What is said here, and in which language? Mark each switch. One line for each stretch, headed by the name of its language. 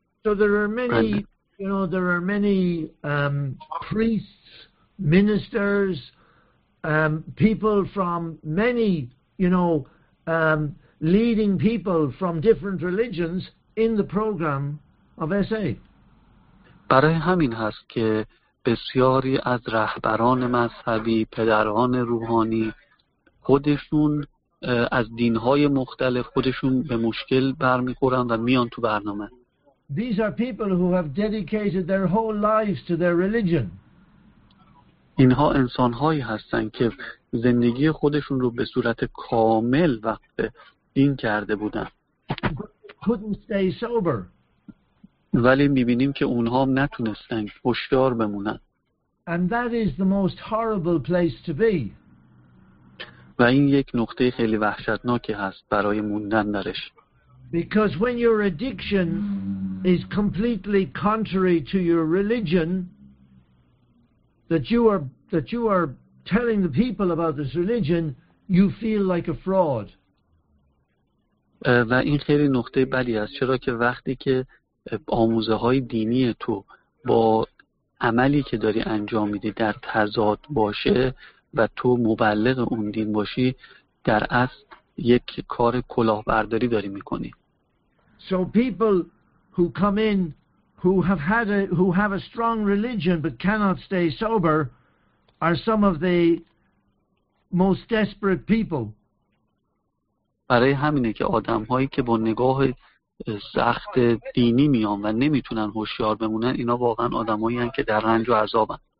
English: So there are many You know, there are many priests, ministers, people from many, you know, leading people from different religions in the program of SA.
Persian: برای همین هست که بسیاری از رهبران مذهبی، پدران روحانی خودشون از دینهای مختلف خودشون به مشکل برمیخورن و میان تو برنامه.
English: These are people who have dedicated their whole lives to their religion.
Persian: اینها انسان‌هایی هستند که زندگی خودشون رو به صورت کامل وقف دین کرده بودند.
English: Couldn't stay sober.
Persian: ولی می‌بینیم که اونها نتونستن هوشیار بمونن.
English: And that is the most horrible place to be.
Persian: و این یک نقطه خیلی وحشتناکی هست برای موندن درش.
English: Because when your addiction is completely contrary to your religion, that you are telling the people about this religion, you feel like a fraud.
Persian: و این خیلی نقطه بدی است، چرا که وقتی که آموزه‌های دینی تو با عملی که داری انجام میدی در تضاد باشه و تو مبلغ اون دین باشی، در اصل یک کار کلاهبرداری داری میکنی.
English: So people who come in who have a strong religion but cannot stay sober are some of the most desperate people.
Persian: برای همینه که آدم هایی که با نگاه سخت دینی میان و نمیتونن هوشیار بمونن، اینا واقعا آدم هایی هن که در رنج و عذاب هن.